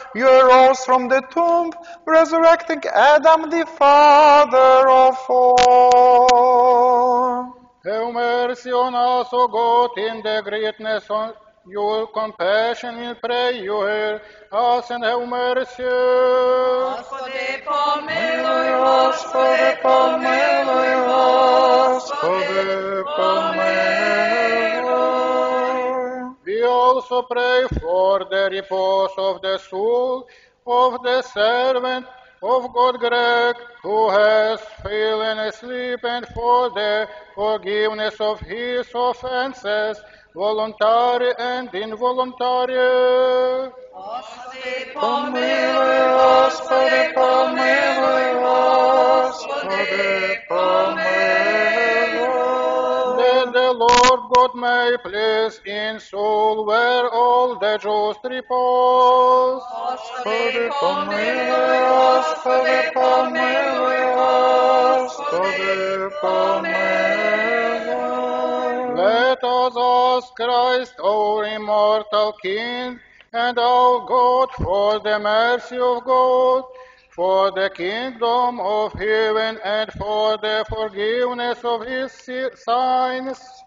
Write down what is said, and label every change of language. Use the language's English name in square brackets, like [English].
[English] You arose from the tomb, resurrecting Adam, the father of all. Have mercy on us, O God, in the greatness of your compassion, we pray you hear us and have mercy. [Russian] Господи, помилуй, Господи, помилуй, Господи, помилуй. [English] We also pray for the repose of the soul of the servant of God Greg, who has fallen asleep, and for the forgiveness of his offenses, voluntary and involuntary. [Russian] Господи, помилуй, Господи, помилуй, Господи, помилуй. [English] Then the Lord God may please in soul where all the just repose. [Russian] Господи, помилуй, Господи, помилуй, Господи, помилуй. [English] Let us ask Christ, our immortal King, and our God, for the mercy of God, for the kingdom of heaven, and for the forgiveness of his sins.